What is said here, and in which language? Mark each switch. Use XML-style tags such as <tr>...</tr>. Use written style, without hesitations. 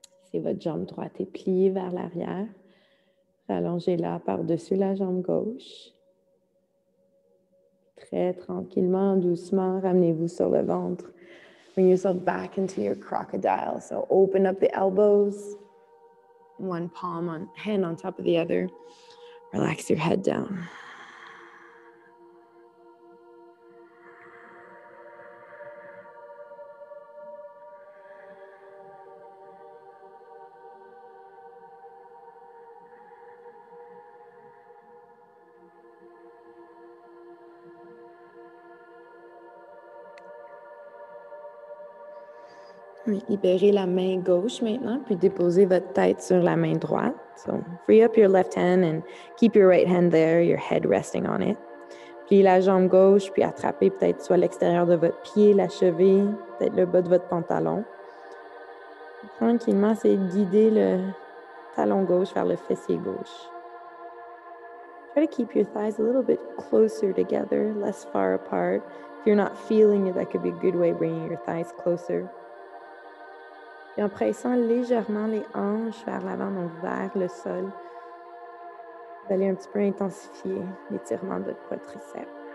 <fr>Si votre jambe droite est pliée vers l'arrière, rallongez-la par-dessus la jambe gauche. Très tranquillement, doucement, ramenez-vous sur le ventre.</fr> <en>Bring yourself back into your crocodile. So open up the elbows. One palm on hand on top of the other. Relax your head down.</en> <fr>Libérez la main gauche maintenant, puis déposez votre tête sur la main droite.</fr> <en>So, free up your left hand and keep your right hand there, your head resting on it.</en> <fr>Pliez la jambe gauche, puis attrapez peut-être soit l'extérieur de votre pied, la cheville, peut-être le bas de votre pantalon. Tranquillement, essayez de guider le talon gauche vers le fessier gauche.</fr> <en>Try to keep your thighs a little bit closer together, less far apart. If you're not feeling it, that could be a good way of bringing your thighs closer.</en> <fr>Et en pressant légèrement les hanches vers l'avant, donc vers le sol, vous allez un petit peu intensifier l'étirement de votre quadriceps.</fr>